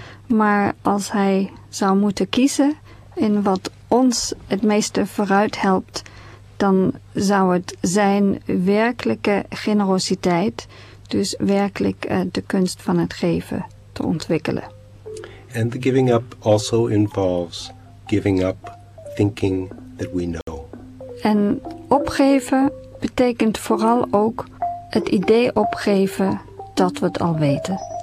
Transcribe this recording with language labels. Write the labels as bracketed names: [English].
[Dutch] Maar als hij zou moeten kiezen in wat ons het meeste vooruit helpt, dan zou het zijn werkelijke generositeit, dus werkelijk de kunst van het geven te ontwikkelen. [English] And the giving up also involves giving up thinking that we know. [Dutch] En opgeven betekent vooral ook het idee opgeven dat we het al weten.